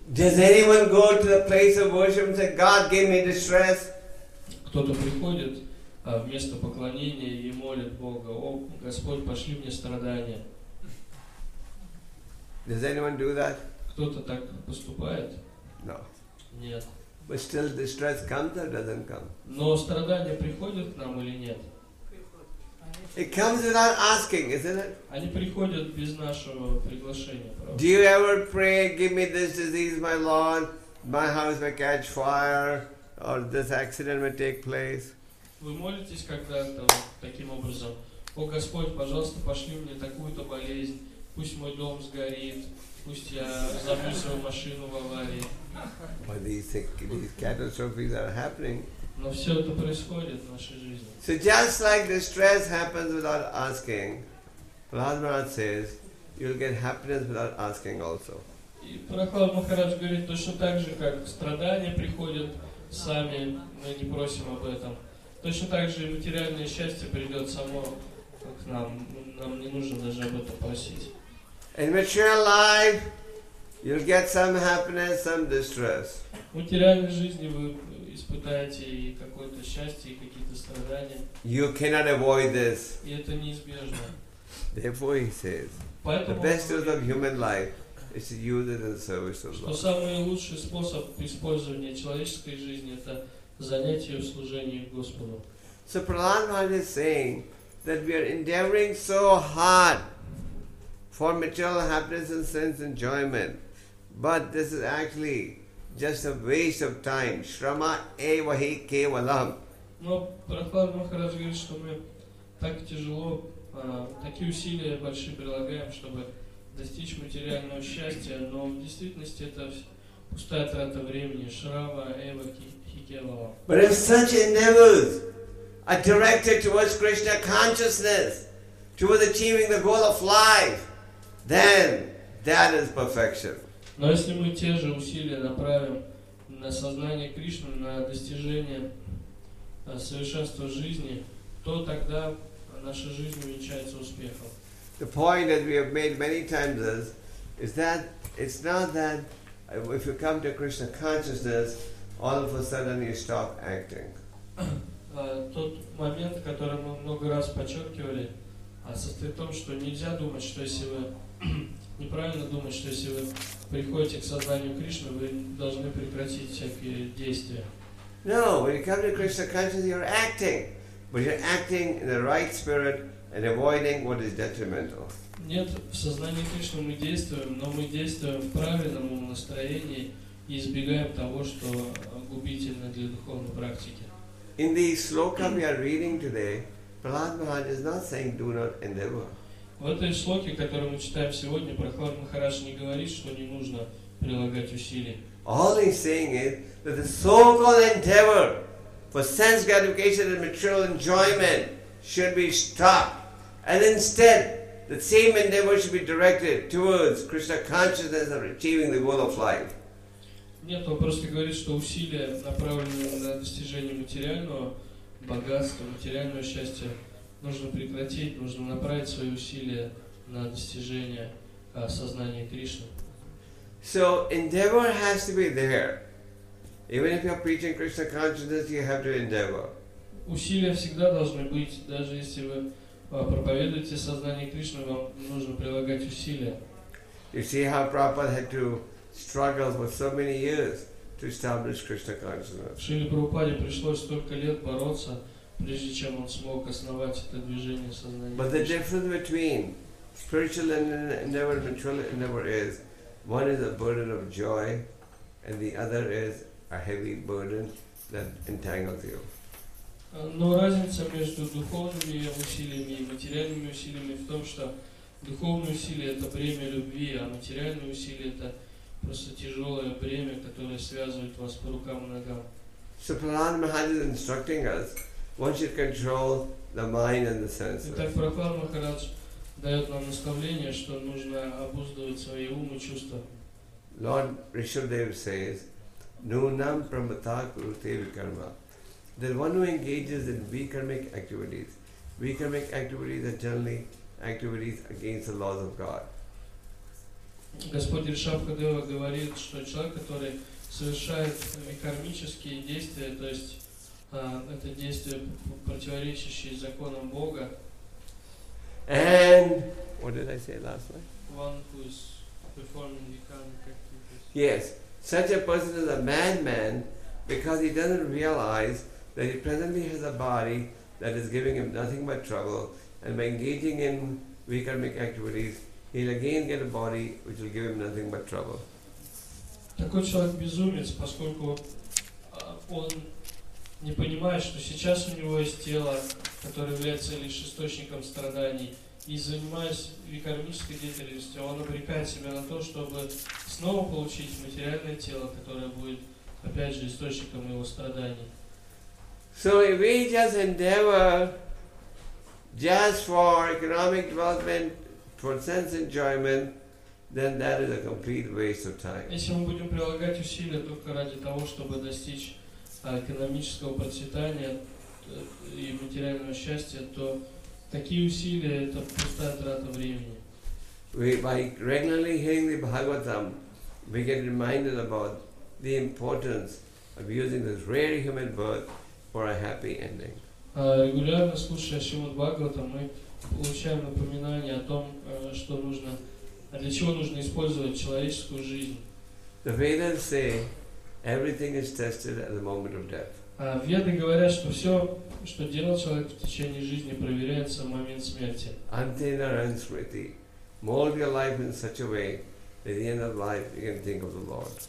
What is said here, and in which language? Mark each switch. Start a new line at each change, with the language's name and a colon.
English: Does anyone go to the place of worship and say, God gave me distress?
Russian: Кто-то приходит в место поклонения и молит Бога: о, Господь, пошли мне страдания.
English: Does anyone do that?
Russian: Кто-то так поступает?
English: No.
Russian: Нет.
English: But still distress comes or doesn't come?
Russian: Но страдания приходят к нам или нет?
English: It comes without asking, isn't it?
Russian: Они приходят без нашего приглашения.
English: Do you ever pray, give me this disease, my Lord, my house may catch fire, or this accident may take place?
Russian: Вы молитесь когда-то таким образом: о, Господь, пожалуйста, пошли мне такую-то болезнь, пусть мой дом сгорит, пусть я забью свою машину в аварии.
English: But these catastrophes are happening.
Russian: Но все это происходит в нашей жизни.
English: So just like distress happens without asking, Prahlad Maharaj says, you'll get happiness without asking also.
Russian: И Прохлад Махарадж говорит, точно так же, как страдания приходят сами, мы не просим об этом. Точно так же и материальное счастье придет само к нам. Нам не нужно даже об этом просить.
English: In material life, you'll get some happiness, some distress.
Russian: В материальной жизни вы испытаете и какое-то счастье, и какие-то страдания.
English: You cannot avoid this.
Russian: И это неизбежно.
English: Therefore, he says,
Russian: поэтому
English: the best use of human life is to use it in the service of Lord.
Russian: Что самый лучший способ использования человеческой жизни — это занять ее в служении Господу.
English: So Prahlad Maharaj is saying that we are endeavoring so hard for material happiness and sense enjoyment, but this is actually just a waste of time.
Sanskrit: Shrama eva hi kevalam.
Russian: Но Прохлад Махарадж говорит, что мы так тяжело, такие усилия большие прилагаем, чтобы достичь материального счастья, но в действительности это пустая трата времени.
Sanskrit: Shrama eva hi kevalam.
English: But if such endeavors are directed towards Krishna consciousness, towards achieving the goal of life, then that is perfection.
Russian: Но если мы те же усилия направим на сознание Кришны, на достижение совершенства жизни, то тогда наша жизнь увенчается успехом.
English: The point that we have made many times is that it's not that if you come to Krishna consciousness, all of a sudden you stop acting.
Russian: Тот момент, который мы много раз подчеркивали, состоит в том, что нельзя думать, что если вы неправильно думать, что если вы приходите к сознанию Кришны, вы должны прекратить всякие действия.
English: No, when you come to Krishna consciousness, you're acting, but you're acting in the right spirit and avoiding what is detrimental.
Russian: Нет, в сознании Кришны мы действуем, но мы действуем в правильном настроении и избегаем того, что губительно для духовной практики.
English: In the sloka we are reading today, Prahlad Maharaj is not saying do not endeavor.
Russian: В этой шлоке, которую мы читаем сегодня, Прохлад Махарадж не говорит, что не нужно прилагать усилий.
English: All he's saying is that the so-called endeavor for sense gratification and material enjoyment should be stopped, and instead the same endeavor should be directed towards Krishna consciousness and achieving the goal of life.
Russian: Нет, он просто говорит, что усилия, направленные на достижение материального богатства, материального счастья, нужно прекратить, нужно направить свои усилия на достижение сознания Кришны.
English: So endeavor has to be there. Even if you're preaching Krishna consciousness, you have to endeavor.
Russian: Усилия всегда должны быть, даже если вы проповедуете сознание Кришны, вам нужно прилагать усилия.
English: You see how Prabhupada had to struggle for so many years to establish Krishna consciousness.
Russian: Шриле Прабхупаде пришлось столько лет бороться, прежде чем он смог основать это движение сознания.
English: But the difference between spiritual endeavor and material endeavor is one is a burden of joy and the other is a heavy burden that entangles you.
Russian: Но разница между духовными усилиями и материальными усилиями в том, что духовные усилия — это бремя любви, а материальные усилия — это просто тяжелое бремя, которое связывает вас по рукам и ногам.
English: So Prahlad Maharaj is instructing us, one should control the mind and the senses.
Russian: Итак, Прохлад Махарадж дает нам наставление, что нужно обуздывать свои умы и чувства.
English: Lord Rishabhdev says,
Sanskrit: Nunam Pramatha Kurute Vikarma,
English: that one who engages in vikarmic activities We can make activities that generally activities against the laws of God.
Russian: Господь Ришабхадева говорит, что человек, который совершает кармические действия, то есть это действия, противоречащие законам Бога.
English: And what did I say last night? One who is performing the karmic activities. Yes. Such a person is a madman because he doesn't realize that he presently has a body that is giving him nothing but trouble, and by engaging in vikarmic activities, he'll again get a body which will give him nothing but trouble.
Russian: Такой человек безумец, поскольку он не понимает, что сейчас у него есть тело, которое является лишь источником страданий, и занимаясь викармической деятельностью, он обрекает себя на то, чтобы снова получить материальное тело, которое будет опять же источником его страданий.
English: So if we just endeavor just for economic development, for sense enjoyment, then that is a complete waste of time.
Russian: Если мы будем прилагать усилия только ради того, чтобы достичь экономического процветания и материального счастья, то такие усилия – это пустая трата времени.
English: We, by regularly hearing the Bhagavatam, we get reminded about the importance of using this rare human birth for a happy ending.
Russian: Регулярно слушая Шримад Бхагаватам, мы получаем напоминание о том, что нужно, для чего нужно использовать человеческую жизнь.
English: The Vedas say everything is tested at the moment of death.
Russian: Веды говорят, что все, что делал человек в течение жизни, проверяется в момент смерти.
English: Antinaranshriti, mold your life in such a way that at the end of life you can think of the Lord.